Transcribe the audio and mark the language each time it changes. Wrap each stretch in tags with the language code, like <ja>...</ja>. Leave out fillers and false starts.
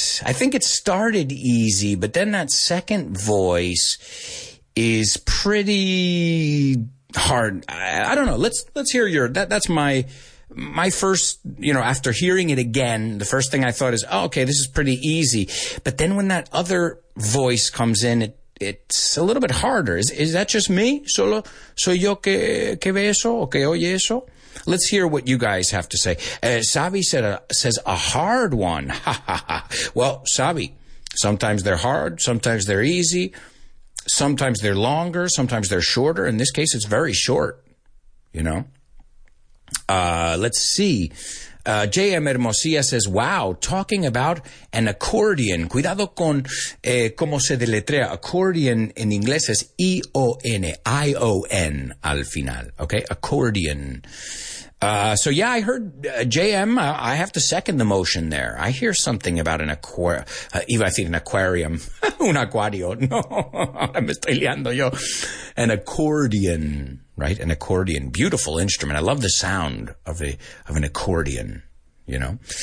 <en>I think it started easy, but then that second voice is pretty hard. I don't know. Let's hear your, that's my first, you know, after hearing it again, the first thing I thought is, oh, okay, this is pretty easy. But then when that other voice comes in, it's a little bit harder. Is that just me?</en> <es>Solo soy yo que ve eso o que oye eso?</es> <en>Let's hear what you guys have to say. Savi says a hard one. Well, Savi, sometimes they're hard, sometimes they're easy, sometimes they're longer, sometimes they're shorter. In this case, it's very short, you know. Let's see. J.M. Hermosilla says, wow, talking about an accordion.</en> <es>Cuidado con cómo se deletrea. Accordion en inglés es E-O-N, I-O-N al final.</es> <en>Okay, accordion. So, yeah, I heard J.M., I have to second the motion there. I hear something about an aquarium.</en> <es>Iba a decir</es> <en>an aquarium.</en> <es>Un acuario. No, me estoy liando yo.</es> <en>An accordion. Right? An accordion. Beautiful instrument. I love the sound of an accordion, you know?</en>